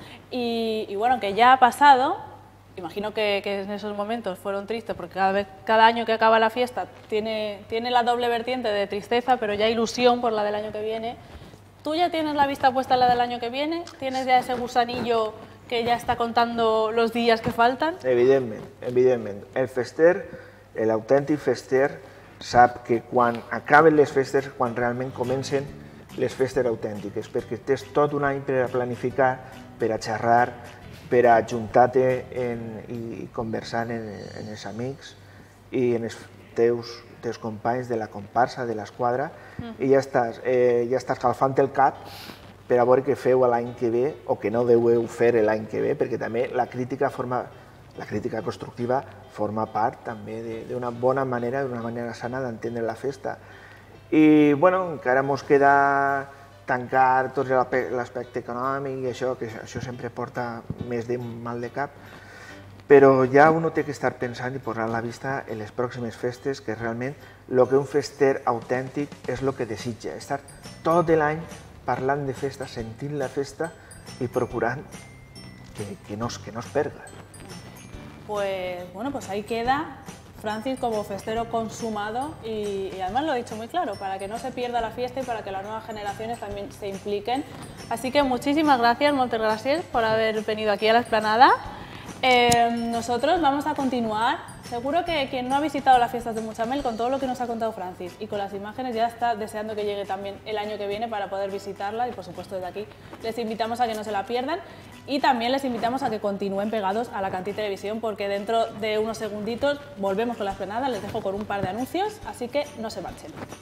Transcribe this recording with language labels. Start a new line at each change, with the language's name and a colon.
Spanish: Y bueno, que ya ha pasado, imagino que en esos momentos fueron tristes, porque cada año que acaba la fiesta tiene la doble vertiente de tristeza, pero ya ilusión por la del año que viene. ¿Tú ya tienes la vista puesta en la del año que viene? ¿Tienes ya ese gusanillo que ya está contando los días que faltan?
Catalan: Evidentment. El fester, el autèntic fester, sap que quan acaben les festes, quan realment comencen, les festes autèntiques, perquè tens tot un any per a planificar, per a xerrar, per a ajuntar-te i conversar amb els amics i amb els teus companys de la comparsa, de l'esquadra, i ja estàs calfant el cap per a veure què feu l'any que ve o què no deueu fer l'any que ve, perquè també la crítica constructiva forma part també d'una bona manera, d'una manera sana d'entendre la festa. I, bueno, encara mos queda tancar tot l'aspecte econòmic i això, que això sempre porta més de mal de cap, però ja un ho té que estar pensant i posar la vista en les pròximes festes, que realment el que un fester autèntic és el que desitja, estar tot l'any parlant de festa, sentint la festa i procurant que no es perga.
Spanish: Pues ahí queda. Francis como festero consumado y además lo he dicho muy claro, para que no se pierda la fiesta y para que las nuevas generaciones también se impliquen. Así que muchísimas gracias,
Catalan: moltes gràcies,
Spanish: por haber venido aquí a la explanada. Nosotros vamos a continuar. Seguro que quien no ha visitado las fiestas de Mutxamel, con todo lo que nos ha contado Francis y con las imágenes, ya está deseando que llegue también el año que viene para poder visitarla y, por supuesto, desde aquí les invitamos a que no se la pierdan y también les invitamos a que continúen pegados a la Cantí Televisión porque dentro de unos segunditos volvemos con la explanada, les dejo con un par de anuncios, así que no se marchen.